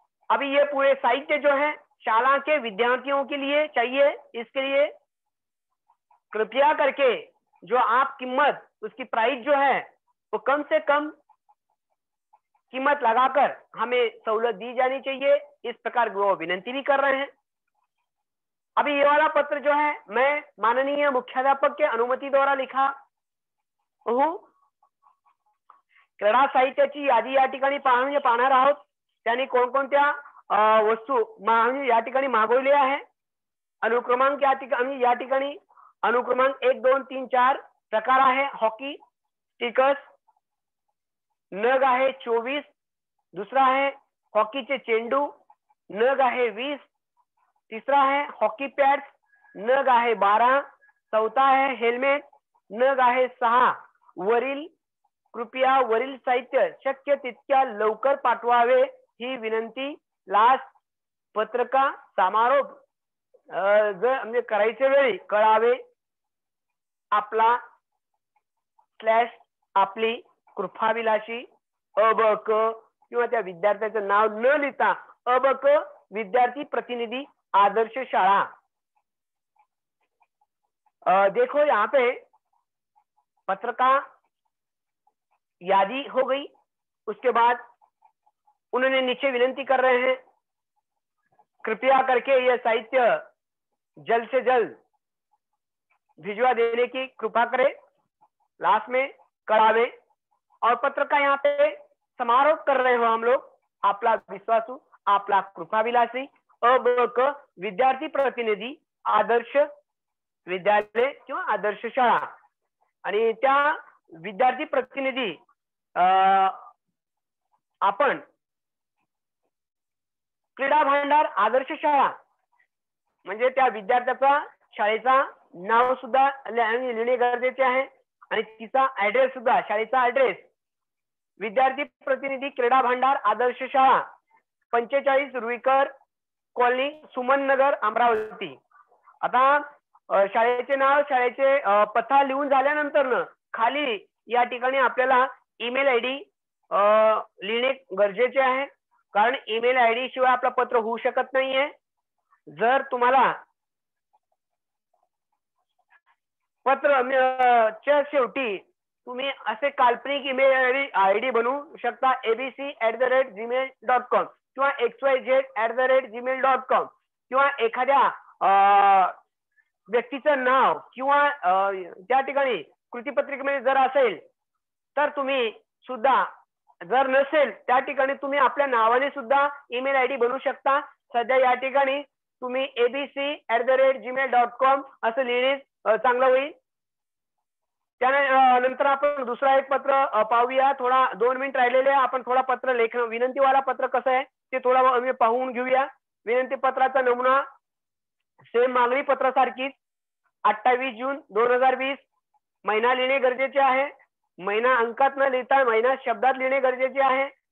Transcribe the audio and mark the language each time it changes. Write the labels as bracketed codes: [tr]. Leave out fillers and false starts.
[hi] अभी ये पूरे साहित्य जो है शाला के विद्यार्थियों के लिए चाहिए, इसके लिए कृपया करके जो आप कीमत उसकी प्राइस जो है वो कम से कम कीमत लगाकर हमें सहूलत दी जानी चाहिए, इस प्रकार वो विनंती भी कर रहे हैं। अभी ये वाला पत्र जो है मैं माननीय मुख्याध्यापक के अनुमति द्वारा लिखा हूँ। [mr] क्रीड़ा साहित्याची यादी या ठिकाणी पाहणे पाहणार आहोत, त्यांनी कोणकोणत्या वस्तू मागणी या ठिकाणी मागवली आहे, अनुक्रमांक या ठिकाणी अनुक्रमांक 1, 2, 3, 4 प्रकार आहे, हॉकी स्टिकर्स नग आहे 24, दुसरा आहे हॉकीचे चेंडू नग आहे 20, तीसरा आहे हॉकी पॅड्स नग आहे 12, चौथा आहे हेल्मेट नग आहे 6। वरील कृपया वरील साहित्य शक्य तितक्या लवकर पाठवावे ही विनंती लास्ट पत्रका समारोप जर म्हणजे करायच्या वेळी कळावे, आपला स्लॅश आपली कृपाविलाशी अबक किंवा त्या विद्यार्थ्याचं नाव न लिहिता अबक विद्यार्थी प्रतिनिधी आदर्श शाळा। [hi] देखो यहाँ पे पत्र का यादी हो गई, उसके बाद उन्होंने नीचे विनती कर रहे हैं कृपया करके यह साहित्य जल्द से जल्द भिजवा देने की कृपा करें, लास्ट में करावे। और पत्र का यहाँ पे समारोह कर रहे हो हम लोग, [mr] आपला विश्वासु आपला कृपा विलासी [hi] अब विद्यार्थी प्रतिनिधि आदर्श विद्यालय क्यों आदर्श शाळा। [mr] आणि त्या विद्यार्थी प्रतिनिधि आपण क्रीडा भांडार आदर्श शाळा म्हणजे त्या विद्यार्थ्याचा शाळेचा नाव सुद्धा लिहिणे गरजेचे आहे आणि तिचा ऍड्रेस सुद्धा, शाळेचा ऍड्रेस विद्यार्थी प्रतिनिधि क्रीडा भांडार आदर्श शाळा 45 रुईकर कॉलनी सुमन नगर अमरावती। आता शाळेचे नाव शाळेचे पत्ता लिहून झाल्यानंतर खाली या ठिकाणी आपल्याला ईमेल आयडी लिहिणे गरजेचे आहे, कारण ईमेल आयडी शिवाय आपलं पत्र होऊ शकत नाहीये। जर तुम्हाला पत्र च्या शेवटी तुम्ही असे काल्पनिक ईमेल आयडी बनवू शकता abc@gmail.com किंवा xyz@gmail.com किंवा एखाद्या व्यक्तीचं नाव किंवा त्या ठिकाणी कृतीपत्रिकेमध्ये जर असेल तर तुम्ही सुद्धा, जर नसेल त्या ठिकाणी तुम्ही आपल्या नावाने सुद्धा ईमेल आयडी बनवू शकता। सध्या या ठिकाणी तुम्ही abc@gmail.com असं लिहिणे चांगलं होईल। त्यानंतर आपण दुसरा एक पत्र पाहूया, थोडा 2 मिनिट राहिलेले आपण थोडा पत्र लेखन विनंती वाला पत्र कसं आहे ते थोडा आम्ही पाहून घेऊया। विनंती पत्राचा नमुना सेम मागणी पत्रासारखीच 28 जून 2020 महिना लिहिणे गरजेचे आहे, महिना अंकात न लिहिता महिना शब्दात लिहिणे गरजेचे आहे।